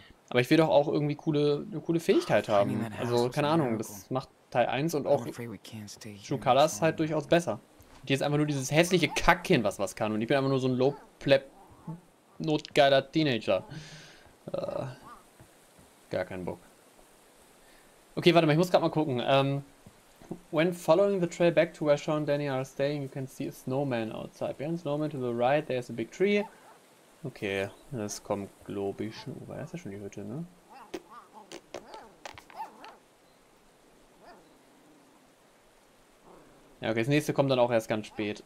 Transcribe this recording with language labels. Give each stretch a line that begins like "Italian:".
German: Aber ich will doch auch irgendwie eine coole Fähigkeit haben. Also, keine Ahnung, das macht Teil 1 und auch True Colors halt durchaus besser. Und hier ist einfach nur dieses hässliche Kackchen, was kann. Und ich bin einfach nur so ein low-pleb-notgeiler Teenager. Gar keinen Bock. Okay, warte mal, ich muss gerade mal gucken.
English: When following the trail back to where Sean and Danny are staying, you can see a snowman outside. Behind the snowman to the right, there's a big tree.
German: Okay, das kommt, glaube ich, schon. Oh, das ist ja schon die Hütte, ne? Ja, okay, das nächste kommt dann auch erst ganz spät.